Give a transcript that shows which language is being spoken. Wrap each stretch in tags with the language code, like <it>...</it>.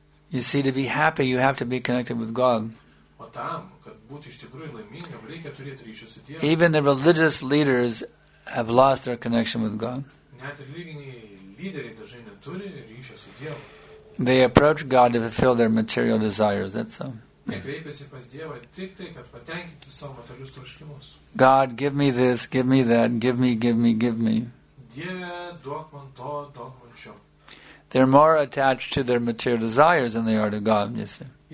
<en>You see, to be happy, you have to be connected with God.</en> <lt>O tam, kad būti iš tikrųjų laimingam, reikia turėti ryšį su Dievu.</lt> <en>Even the religious leaders have lost their connection with God.</en> <lt>Net ir religiniai lyderiai dažnai neturi ryšio su Dievu.</lt> <en>They approach God to fulfill their material desires, that's all.</en> <lt>Jie kreipiasi pas Dievą tik tai, kad patenkinti savo materialius troškimus.</lt> <en>God, give me this, give me that, give me, give me, give me.</en> <lt>Dieve, duok man to, duok man šio.</lt> <en>They're more attached to their material desires than they are to God, you see.</en>